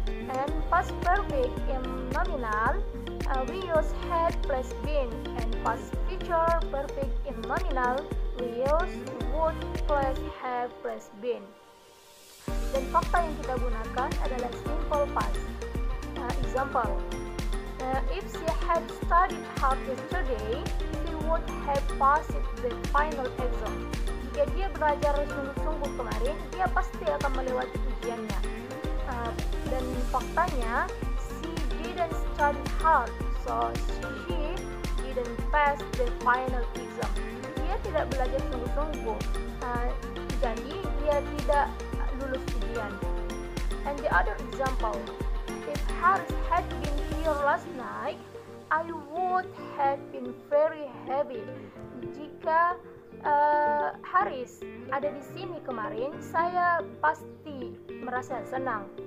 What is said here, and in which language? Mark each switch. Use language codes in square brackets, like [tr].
[en] And past perfect in nominal we use had plus been and past future perfect in nominal we use would plus have plus been. [id] Dan fakta yang kita gunakan adalah simple past. [en] Example, if she had studied hard yesterday, she would have passed the final exam. [id] Jika dia belajar sungguh-sungguh kemarin, dia pasti akan melewati ujiannya. Dan faktanya, [en] she didn't study hard. So she didn't pass the final exam. [id] Dia tidak belajar sungguh-sungguh, jadi dia tidak lulus ujian. [en] And the other example, if Harris had been here last night, I would have been very happy. [id] Jika Harris ada di sini kemarin, saya pasti merasa senang.